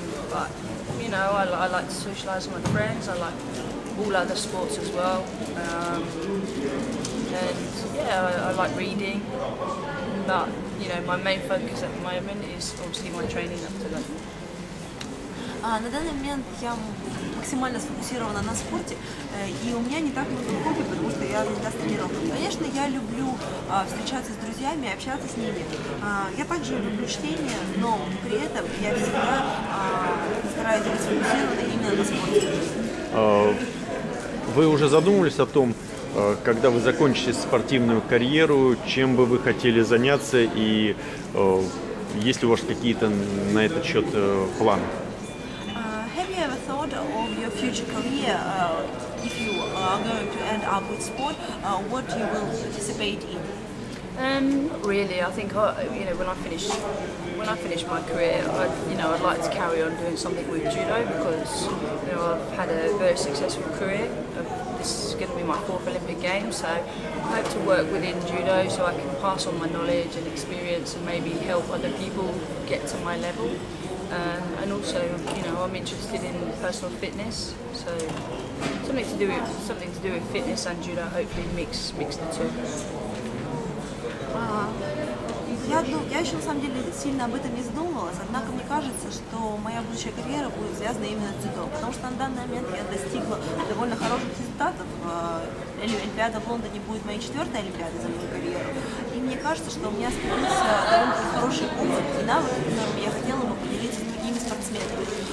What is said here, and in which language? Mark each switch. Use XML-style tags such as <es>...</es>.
<en>But you know, I like to socialize with my friends. I like all other sports as well. I like reading. But you know, my main focus at the moment is obviously my training up to London.</en> <ru>На данный момент я максимально сфокусирована на спорте, и у меня не так много хобби, потому что я всегда тренирована. Конечно, я люблю встречаться с друзьями, общаться с ними. Я также люблю чтение, но при этом я всегда стараюсь быть сфокусирована именно на спорте. Вы уже задумывались о том, Когда вы закончите спортивную карьеру, чем бы вы хотели заняться и есть ли у вас какие-то на этот счет планы?</ru> <en>Have you ever thought of your future career? If you are going to end up with sport, what you will participate in? Really, I think when I finish my career, I'd like to carry on doing something with judo because I've had a very successful career. This is going to be my fourth Olympic Games, so I hope to work within judo so I can pass on my knowledge and experience and maybe help other people get to my level. And also, I'm interested in personal fitness, so something to do with fitness and judo. Hopefully, mix the two.</en> <ru>Я еще, на самом деле, сильно об этом не задумывалась, однако мне кажется, что моя будущая карьера будет связана именно с дзюдо, потому что на данный момент я достигла довольно хороших результатов. Олимпиада в Лондоне будет моей четвертой олимпиадой за мою карьеру, и мне кажется, что у меня остается довольно хороший опыт и навык, которым я хотела бы поделиться с другими спортсменами.</ru>